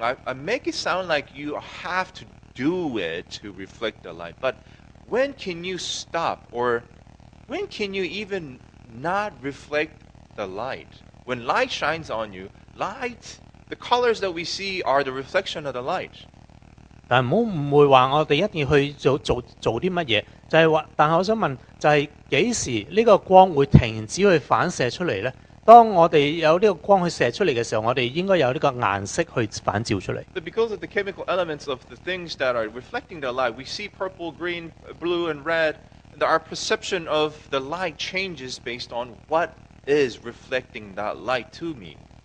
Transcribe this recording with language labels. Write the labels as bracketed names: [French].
[English] I make it sound like you have to do it to reflect the light. But when can you stop? Or when can you even not reflect the light? When light shines on you, light, the colors that we see are the reflection of the light. [Chinese] 但我想问，几时这个光会停止去反射出来呢？当我们有这个光去射出来的时候，我们应该有这个颜色去反照出来。 [English] But because of the chemical elements of the things that are reflecting the light, we see purple, green, blue, and red. And our perception of the light changes based on what is reflecting that light to me.